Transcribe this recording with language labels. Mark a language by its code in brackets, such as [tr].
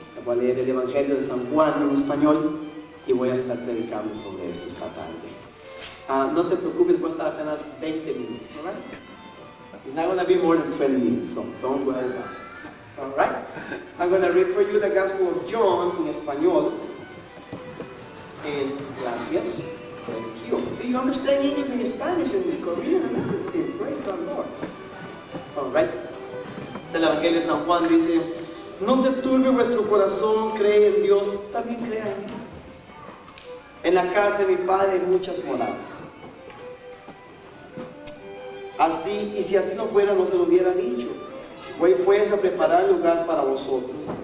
[es] Voy a leer el Evangelio de San Juan en español. Y voy a estar predicando sobre eso esta tarde. No te preocupes, voy a estar apenas 20 minutos, [en] all right? It's not going to be more than 20 minutes, so don't worry about it. All right? I'm going to read for you the Gospel of John in español. And gracias. Thank you. See, you understand English and Spanish and Korean and everything. Praise the Lord. All right? [es] El Evangelio de San Juan dice, no se turbe vuestro corazón, cree en Dios, también crea en Dios. En la casa de mi padre hay muchas moradas. Así, y si así no fuera, no se lo hubiera dicho. Voy pues a preparar lugar para vosotros.